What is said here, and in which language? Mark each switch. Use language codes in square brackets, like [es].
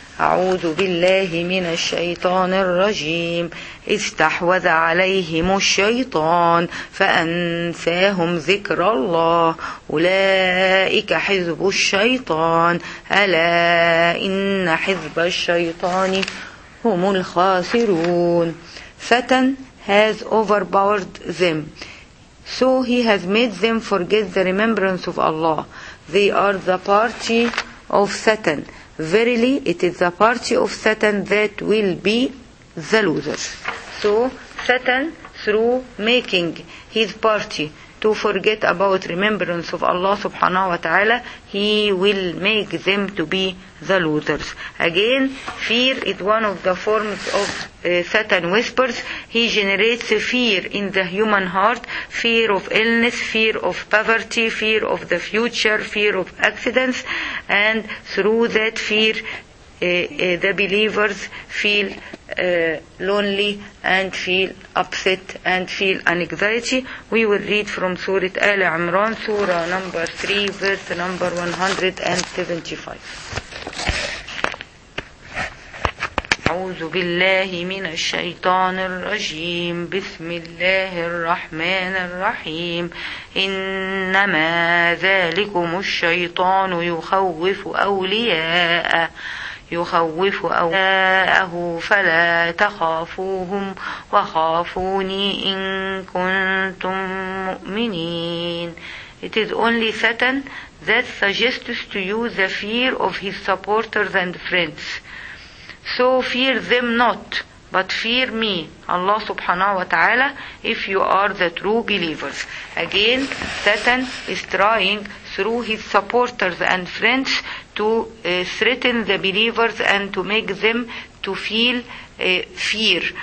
[ar] أعوذ بالله من الشيطان الرجيم استحوذ عليهم الشيطان فأنساهم ذكر الله أولئك حزب الشيطان ألا إن حزب الشيطان هم الخاسرون. [en] Satan has overpowered them, so he has made them forget the remembrance of Allah. They are the party of Satan. Verily, it is the party of Satan that will be the loser. So Satan, through making his party to forget about remembrance of Allah subhanahu wa ta'ala, he will make them to be the losers. Again, fear is one of the forms of Satan whispers. He generates fear in the human heart, fear of illness, fear of poverty, fear of the future, fear of accidents, and through that fear, the believers feel lonely and feel upset and feel anxiety, we will read from Surah Al Imran, Surah number 3, verse number 175. [ar] أعوذ بالله من الشيطان الرجيم بسم الله الرحمن الرحيم إنما ذلكم الشيطان يخوف أولياءه يخوف أولياءه فلا تخافوهم وخافوني إن كنتم مؤمنين. [en] It is only Satan that suggests to you the fear of his supporters and friends. So fear them not, but fear me, Allah subhanahu wa ta'ala, if you are the true believers. Again, Satan is trying through his supporters and friends to threaten the believers and to make them to feel fear.